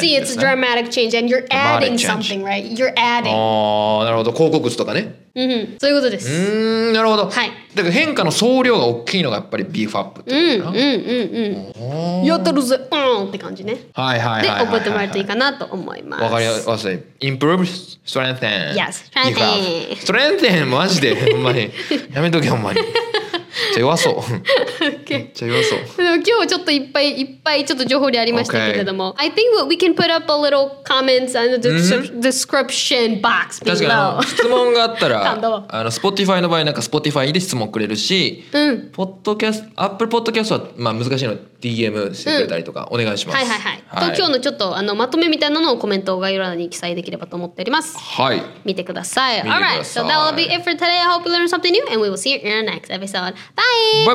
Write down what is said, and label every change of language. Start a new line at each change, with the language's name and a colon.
English: See, it's a dramatic change and you're adding something, right? You're adding.
Japanese: なるほど。広告とかね。 Mm-hmm. そういうことです。なるほど。はい。だから変化の総量が大きいのがやっぱりビーフアップっていうのかな。うんうんうんうん。やったるぜ、うんって感じね。はいはいはい、はい。で覚えてもらえるといいかなと思います。わかりやすい。Improve, strengthen.
English: Yes, strengthen.
Japanese: Strengthen マジでほんまに。やめとけほんまに。じゃ弱そう。今日はちょっといっぱいいっぱいちょっと情報でありましたけれども、
English: okay. I think what we can put up a little comments and the description box below.
Japanese: 確かに質問があったらあの Spotify の場合なんか Spotify で質問くれるし、うん、ポッドキャスト Apple Podcast はまあ難しいの DM してくれたりとかお願いします、うん、はいはいはい、はい、と今日のちょっとあのまとめみたいなのをコメントを概要欄に記載できればと思っております。はい、見てください。
English: Alright, so that will be it for today. I hope you learned something new and we will see you in our next episode. Bye.